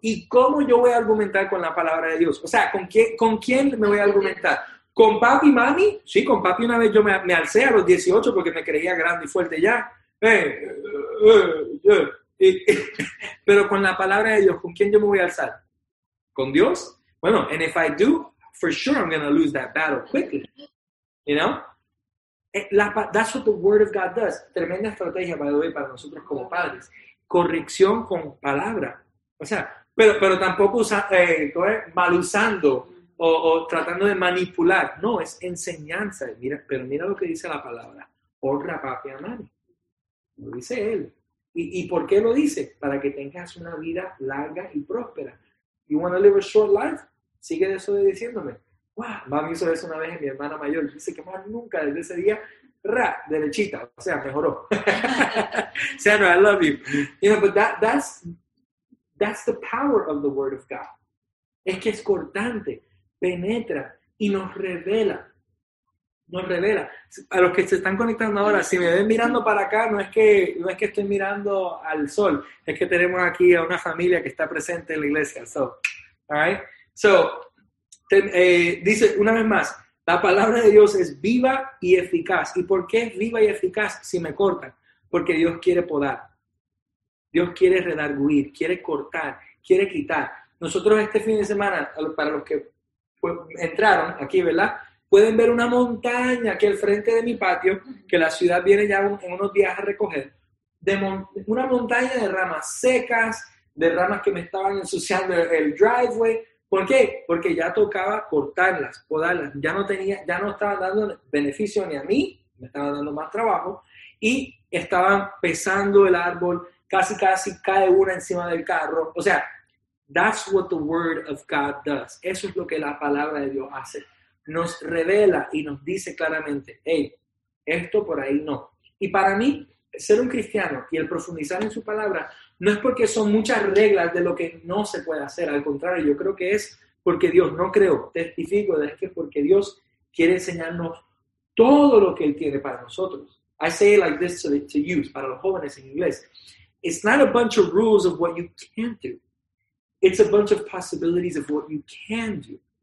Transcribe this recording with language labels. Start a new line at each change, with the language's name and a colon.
Spanish: ¿Y cómo yo voy a argumentar con la palabra de Dios? O sea, ¿con quién me voy a argumentar? ¿Con papi y mami? Sí, con papi una vez yo me alcé a los 18 porque me creía grande y fuerte ya. Pero con la palabra de Dios, ¿con quién yo me voy a alzar? ¿Con Dios?
English: Bueno, and if I do, for sure I'm going to lose that battle quickly. You know? That's what the word of God does.
Spanish: Tremenda estrategia, by the way, para nosotros como padres. Corrección con palabra. O sea, pero tampoco mal usando o tratando de manipular. No, es enseñanza. Mira lo que dice la palabra. Honra a papi y a mami. Lo dice él. ¿Y por qué lo dice? Para que tengas una vida larga y próspera. You want to live a short life? Sigue eso de diciéndome. Wow, mami hizo eso una vez en mi hermana mayor. Dice que más nunca desde ese día, derechita. O sea, mejoró. Sandra, I love you.
English: You know, but that's the power of the word of God.
Spanish: Es que es cortante, penetra y nos revela. Nos revela. A los que se están conectando ahora, si me ven mirando para acá, no es que estoy mirando al sol. Es que tenemos aquí a una familia que está presente en la iglesia. So, all right? So, dice una vez más, la palabra de Dios es viva y eficaz. ¿Y por qué es viva y eficaz si me cortan? Porque Dios quiere podar. Dios quiere redarguir, quiere cortar, quiere quitar. Nosotros este fin de semana, para los que entraron aquí, ¿verdad? Pueden ver una montaña aquí al frente de mi patio, que la ciudad viene ya en unos días a recoger, de una montaña de ramas secas, de ramas que me estaban ensuciando el driveway. ¿Por qué? Porque ya tocaba cortarlas, podarlas. Ya no estaba dando beneficio ni a mí, me estaba dando más trabajo, y estaba pesando el árbol, casi cae una encima del carro.
English: O sea, that's what the word of God does.
Spanish: Eso es lo que la palabra de Dios hace. Nos revela y nos dice claramente, hey, esto por ahí no. Y para mí, ser un cristiano y el profundizar en su palabra no es porque son muchas reglas de lo que no se puede hacer. Al contrario, yo creo que es porque Dios, no creo, testifico, es que porque Dios quiere enseñarnos todo lo que Él tiene para nosotros.
English: I say it like this to you, para los jóvenes en inglés. It's not a bunch of rules of what you can't do. It's a bunch of possibilities of what you can do.